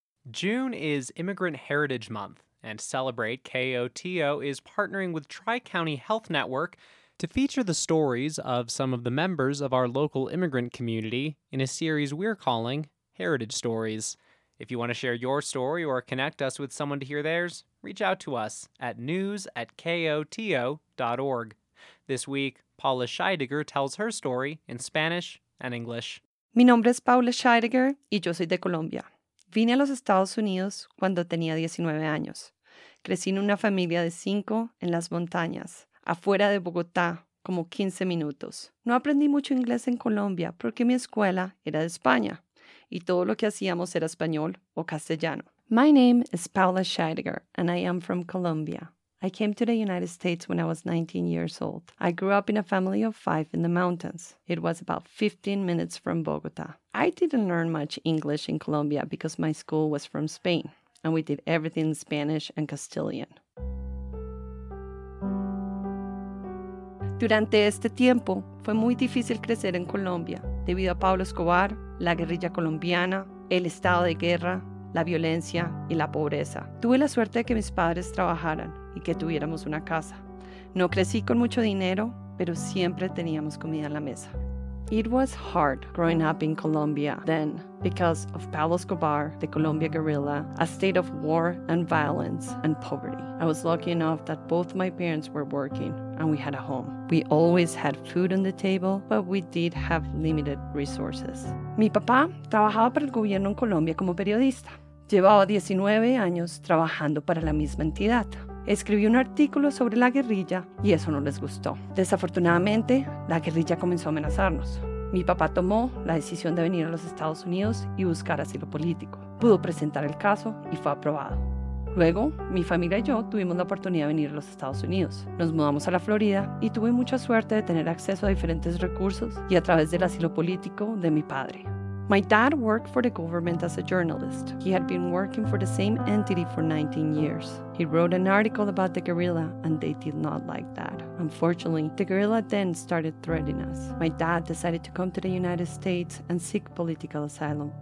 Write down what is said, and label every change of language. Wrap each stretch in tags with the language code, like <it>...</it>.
<en>June is Immigrant Heritage Month, and Celebrate KOTO is partnering with Tri-County Health Network to feature the stories of some of the members of our local immigrant community in a series we're calling Heritage Stories. If you want to share your story or connect us with someone to hear theirs, reach out to us at news@koto.org. This week, Paula Scheidegger tells her story in Spanish and English.</en> <es>Mi nombre es Paula Scheidegger y yo soy de Colombia. Vine a los Estados Unidos cuando tenía 19 años. Crecí en una familia de 5 en las montañas, afuera de Bogotá, como 15 minutos. No aprendí mucho inglés en Colombia porque mi escuela era de España y todo lo que hacíamos era español o castellano.</es> <en>My name is Paula Scheidegger and I am from Colombia. I came to the United States when I was 19 years old. I grew up in a family of 5 in the mountains. It was about 15 minutes from Bogota. I didn't learn much English in Colombia because my school was from Spain, and we did everything in Spanish and Castilian.</en> <es>Durante este tiempo, fue muy difícil crecer en Colombia debido a Pablo Escobar, la guerrilla colombiana, el estado de guerra, la violencia y la pobreza. Tuve la suerte de que mis padres trabajaran y que tuviéramos una casa. No crecí con mucho dinero, pero siempre teníamos comida en la mesa.</es> <en>It was hard growing up in Colombia then because of Pablo Escobar, the Colombia guerrilla, a state of war and violence and poverty. I was lucky enough that both my parents were working and we had a home. We always had food on the table, but we did have limited resources.</en> <es>Mi papá trabajaba para el gobierno en Colombia como periodista. Llevaba 19 años trabajando para la misma entidad. Escribí un artículo sobre la guerrilla y eso no les gustó. Desafortunadamente, la guerrilla comenzó a amenazarnos. Mi papá tomó la decisión de venir a los Estados Unidos y buscar asilo político. Pudo presentar el caso y fue aprobado. Luego, mi familia y yo tuvimos la oportunidad de venir a los Estados Unidos. Nos mudamos a la Florida y tuve mucha suerte de tener acceso a diferentes recursos y a través del asilo político de mi padre.</es> <en>My dad worked for the government as a journalist. He had been working for the same entity for 19 years. He wrote an article about the guerrilla, and they did not like that. Unfortunately, the guerrilla then started threatening us. My dad decided to come to the United States and seek political asylum.</en>